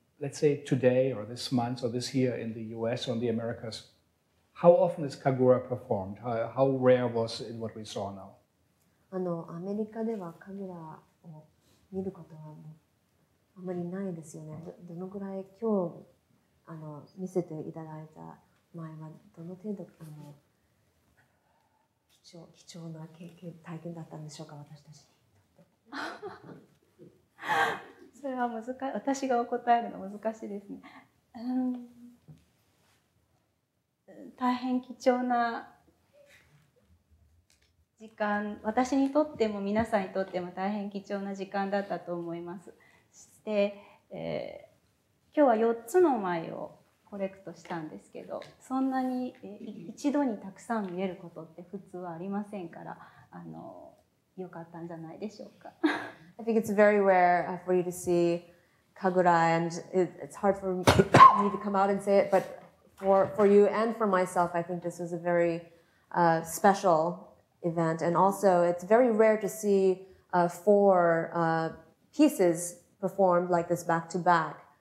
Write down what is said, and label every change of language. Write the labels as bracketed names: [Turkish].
[English] Let's say today or this month or this year in the US or in the Americas, how often is Kagura performed? How rare was it what we saw now? [Japanese] アメリカではカグラを見ることはもうあまりないですよね。どのぐらい今日見せていただいた前はどの程度貴重な経験体験だったんでしょうか、私たちそれは難しい。私がお答えるの難しいですね。大変貴重な時間、私にとっても皆さんにとっても大変貴重な時間だったと思います。そして、今日は4つの舞をコレクトしたんですけど、そんなに一度にたくさん見えることって普通はありませんから、良かったんじゃないでしょうか。 [English] I think it's very rare for you to see Kagura, and it's hard for me to come out and say it, but for you and for myself, I think this is a very specialevent, and also it's very rare to see four pieces performed like this back to back.